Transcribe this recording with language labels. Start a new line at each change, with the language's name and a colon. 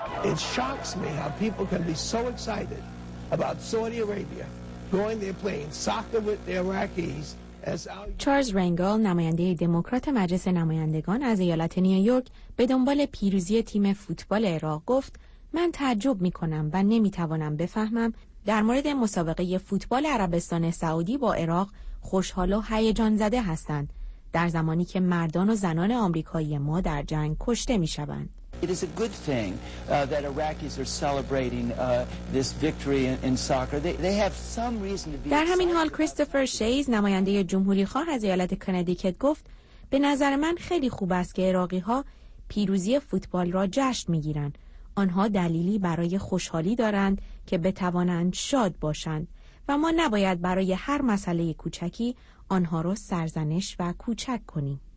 English: It shocks me how people can be so excited about Saudi Arabia going there playing soccer with the Iraqis.
Persian: چارلز رنگال نماینده دموکرات مجلس نمایندگان از ایالت نیویورک به دنبال پیروزی تیم فوتبال عراق گفت من تعجب می کنم و نمی توانم بفهمم در مورد مسابقه فوتبال عربستان سعودی با عراق خوشحال و هیجان زده هستند در زمانی که مردان و زنان آمریکایی ما در جنگ کشته می شوند.
English: It is a good thing that Iraqis are celebrating this victory in soccer. They have some reason to be.
Persian: در همین حال کریستوفر شیز نماینده جمهوری‌خواه از ایالت کنیدیکت گفت به نظر من خیلی خوب است که عراقی‌ها پیروزی فوتبال را جشن می‌گیرند. آنها دلیلی برای خوشحالی دارند که بتوانند شاد باشند و ما نباید برای هر مسئله کوچکی آنها را سرزنش و کوچک کنیم.